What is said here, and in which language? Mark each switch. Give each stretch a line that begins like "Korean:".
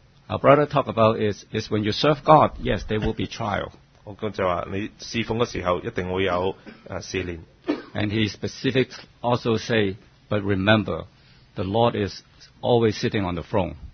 English: ，Our brother talk about is when you serve God, yes, there will be trial.
Cantonese: 我哥就话你侍奉嘅时候一定会有试炼。
English: And he specifically also say, but remember, the Lord is always sitting on the throne.